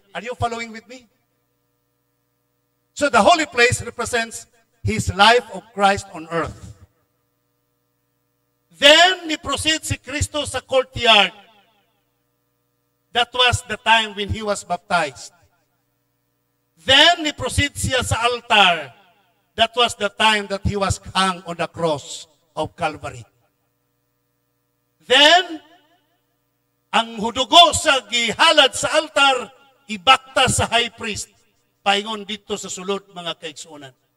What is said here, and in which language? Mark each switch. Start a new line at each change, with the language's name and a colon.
English: Are you following with me? So the holy place represents his life of Christ on earth. Then ni proceed si Kristo sa courtyard. That was the time when he was baptized. Then
Cebuano: ni proceed siya sa altar.
English: That was the time that he was hung on the cross of Calvary. Then,
Cebuano: ang hudugo sa gihalad sa altar, ibakta sa high priest, paingon dito sa sulod mga kaigsuonan.